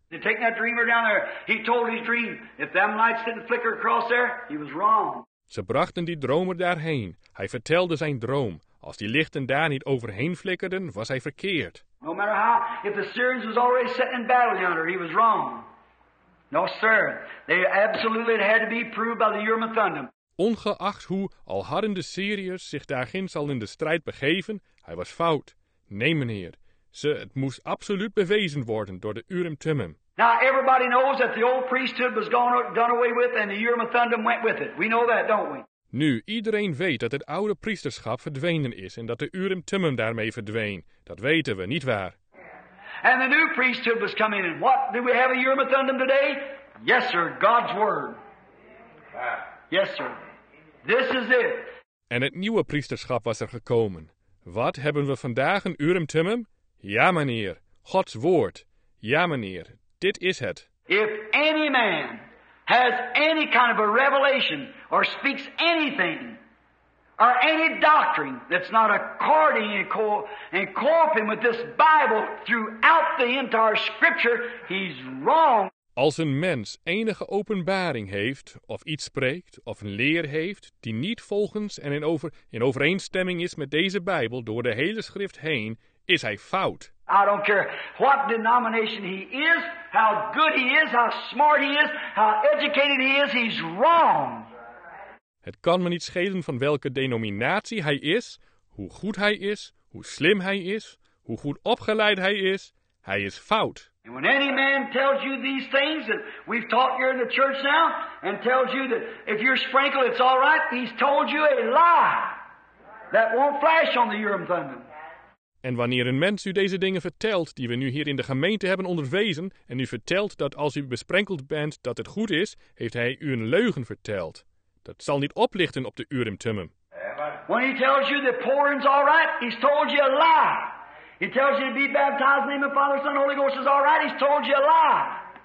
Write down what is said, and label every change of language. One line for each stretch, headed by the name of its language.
English: They take that dreamer down there. He told his dream. If them lights didn't flicker across there, he was wrong.
Dutch: Ze brachten die dromer daarheen. Hij vertelde zijn droom. Als die lichten daar niet overheen flikkerden, was hij verkeerd.
English: No matter how, if the Syrians was already set in battle yonder, he was wrong. No, sir. They absolutely had to be proved by the Urim and Thummim.
Dutch: Ongeacht hoe al hadden de Syriërs zich daarginds al in de strijd begeven, hij was fout. Nee, meneer. Het moest absoluut bewezen worden door de Urim Thummim.
English: Now everybody knows that the old priesthood was done away with and the Urim and Thummim went with it. We know that, don't we?
Dutch: Nu, iedereen weet dat het oude priesterschap verdwenen is en dat de Urim Thummim daarmee verdween. Dat weten we, niet waar?
English: And the new priesthood was coming in. What, do we have a Urim and Thummim today? Yes, sir, God's word. Yes, sir. This is it.
Dutch: En het nieuwe priesterschap was er gekomen. Wat, hebben we vandaag een Urim Thummim? Ja, meneer, God's woord. Ja, meneer. Dit is het.
English: If any man has any kind of a revelation or speaks anything or any doctrine that's not according and cooperating with this Bible throughout the entire scripture, he's wrong.
Dutch: Als een mens enige openbaring heeft of iets spreekt of een leer heeft die niet volgens en in overeenstemming is met deze Bijbel door de hele schrift heen, is hij fout.
English: I don't care what denomination he is, how good he is, how smart he is, how educated he is, he's wrong.
Dutch: Het kan me niet schelen van welke denominatie hij is, hoe goed hij is, hoe slim hij is, hoe goed opgeleid hij is fout.
English: And when any man tells you these things that we've taught here in the church now, and tells you that if you're sprinkled it's all right, he's told you a lie that won't flash on the Urim Thummim.
Dutch: En wanneer een mens u deze dingen vertelt die we nu hier in de gemeente hebben onderwezen en u vertelt dat als u besprenkeld bent dat het goed is, heeft hij u een leugen verteld. Dat zal niet oplichten op de Urim Thummim.
English: When he tells you that pouring's all right, he's told you a lie. He tells you to be baptized in the name of Father, Son, Holy Ghost is all right, he's told you a lie.